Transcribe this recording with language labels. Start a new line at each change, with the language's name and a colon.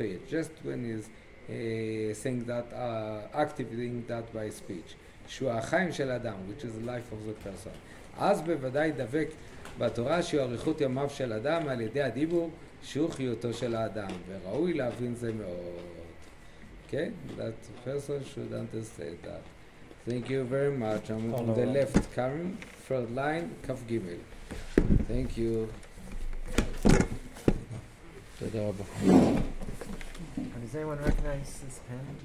English: Just when he's saying that, activating that by speech,
Hebrew: שהוא החיים של אדם,
English: which is the life of the person.
Hebrew: אז בוודאי דבק בתורה שהוא עריכות ימיו של אדם על ידי הדיבור שהוא חיותו של האדם, וראוי להבין זה מאוד.
English: Okay? That person should understand that. Thank you very much. I'm on the left, Karen, front line, Kaf Gimel. Thank you. Does anyone recognize this pen?